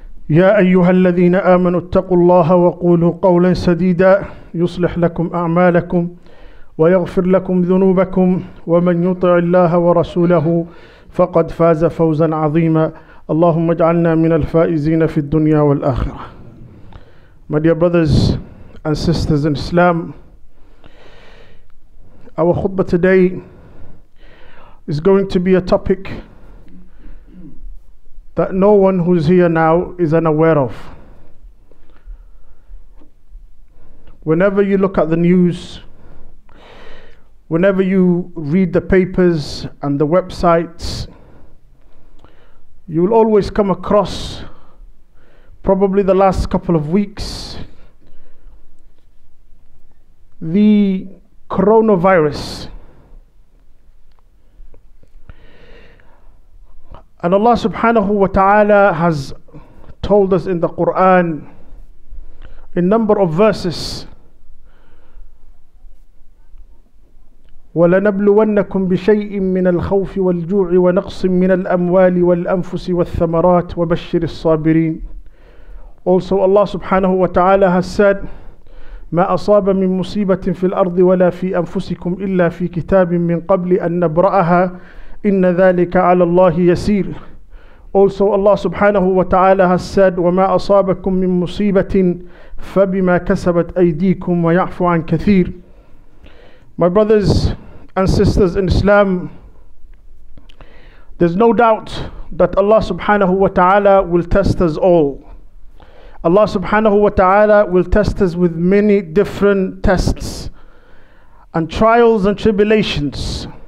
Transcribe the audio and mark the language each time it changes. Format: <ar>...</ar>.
<ar>يا أيها الذين آمنوا اتقوا الله وقولوا قولا سديدا يصلح لكم أعمالكم ويغفر لكم ذنوبكم ومن يطع الله ورسوله فقد فاز فوزا عظيما اللهم اجعلنا من الفائزين في الدنيا والآخرة.</ar> <en>My dear brothers and sisters in Islam, our khutbah today is going to be a topic that no one who's here now is unaware of. Whenever you look at the news, whenever you read the papers and the websites, you will always come across, probably the last couple of weeks, the coronavirus. And Allah subhanahu wa ta'ala has told us in the Quran a number of verses,</en> <ar>وَلَنَبْلُوَنَّكُمْ بِشَيْءٍ مِّنَ الْخَوْفِ وَالْجُوعِ وَنَقْصٍ مِّنَ الْأَمْوَالِ وَالْأَنفُسِ وَالثَّمَرَاتِ وَبَشِّرِ الصَّابِرِينَ.</ar> <en>Also Allah subhanahu wa ta'ala has said,</en> <ar>مَا أَصَابَ مِن مُصِيبَةٍ فِي الْأَرْضِ وَلَا فِي أَنفُسِكُمْ إِلَّا فِي كِتَابٍ مِّن قَبْلِ أَن نَبْرَأَهَا إِنَّ ذَلِكَ عَلَى اللَّهِ يَسِيرٌ.</ar> <en>Also Allah subhanahu wa ta'ala has said,</en> <ar>وَمَا أَصَابَكُم مِّن مُصِيبَةٍ فَبِمَا كَسَبَتْ أَيْدِيكُمْ وَيَعْفُ عَن كَثِيرٍ.</ar> <en>My brothers and sisters in Islam, there's no doubt that Allah subhanahu wa ta'ala will test us all. Allah subhanahu wa ta'ala will test us with many different tests and trials and tribulations.</en>